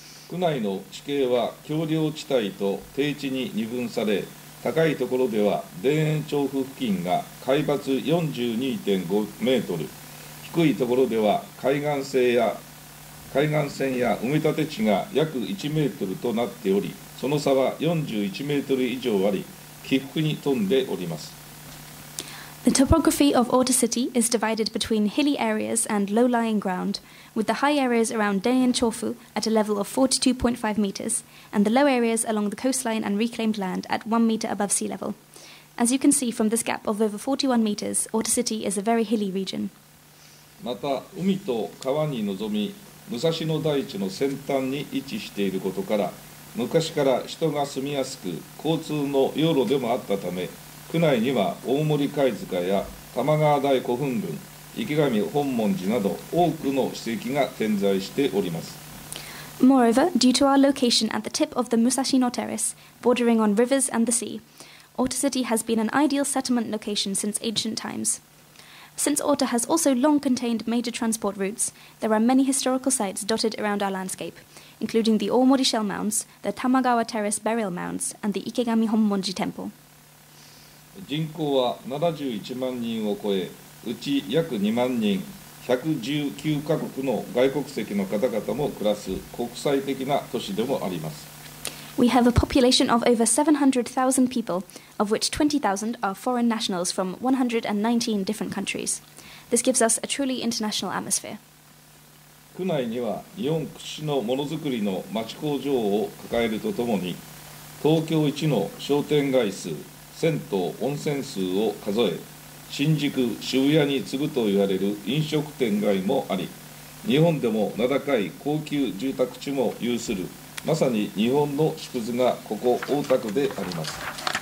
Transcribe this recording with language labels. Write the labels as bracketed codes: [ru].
[ja] 区内の地形は丘陵地帯と低地に二分され、高いところでは田園調布付近が海抜 42.5 メートル、低いところでは海岸線や埋め立て地が約1メートルとなっており、その差は41メートル以上あり、起伏に富んでおります。 [en] The topography of Ota City is divided between hilly areas and low-lying ground, with the high areas around Daeyan Chofu at a level of 42.5 meters, and the low areas along the coastline and reclaimed land at 1 meter above sea level. As you can see from this gap of over 41 meters, Ota City is a very hilly region. [ja] また、海と川に臨み、武蔵野台地の先端に位置していることから、昔から人が住みやすく、交通の要路でもあったため、区内には大森貝塚や玉川大古墳群、池上本門寺など多くの史跡が点在しております。 [en] Moreover, due to our location at the tip of the Musashino Terrace, bordering on rivers and the sea, Ota City has been an ideal settlement location since ancient times. Since Ota has also long contained major transport routes, there are many historical sites dotted around our landscape, including the 大森 Shell Mounds, the 玉川 Terrace Burial Mounds, and the 池上本門寺 Temple. [ja] 人口は71万人を超え、うち約2万人、119カ国の外国籍の方々も暮らす国際的な都市でもあります。 [en] We have a population of over 700,000 people, of which 20,000 are foreign nationals from 119 different countries. This gives us a truly international atmosphere. [ja] 区内には日本屈指のものづくりの町工場を抱えるとともに、東京一の商店街数、銭湯温泉数を数え、新宿、渋谷に次ぐと言われる飲食店街もあり、日本でも名高い高級住宅地も有する、まさに日本の縮図がここ大田区であります。